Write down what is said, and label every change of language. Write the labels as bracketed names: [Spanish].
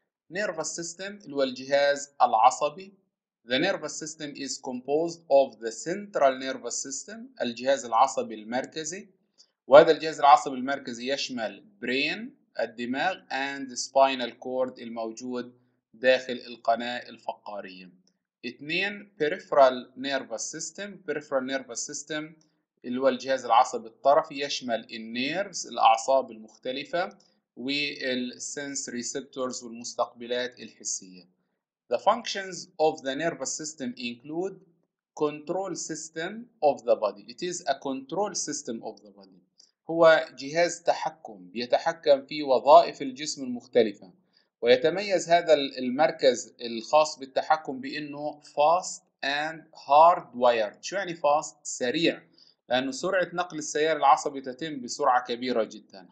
[Arabic] نيرفس سيستم اللي هو الجهاز العصبي، [English] the nervous system is composed of the central nervous system، [Arabic] الجهاز العصبي المركزي، وهذا الجهاز العصبي المركزي يشمل brain الدماغ and spinal cord الموجود داخل القناة الفقارية. 2 peripheral nervous system، peripheral nervous system اللي هو الجهاز العصبي الطرفي يشمل النيرفز الأعصاب المختلفة والsense receptors والمستقبلات الحسية. [English] The functions of the nervous system include control system of the body. It is a control system of the body. [Arabic] هو جهاز تحكم يتحكم في وظائف الجسم المختلفة، ويتميز هذا المركز الخاص بالتحكم بأنه [English] fast and hard wired. [Arabic] شو يعني fast؟ سريع، لأن سرعة نقل السيار العصبي تتم بسرعة كبيرة جدا.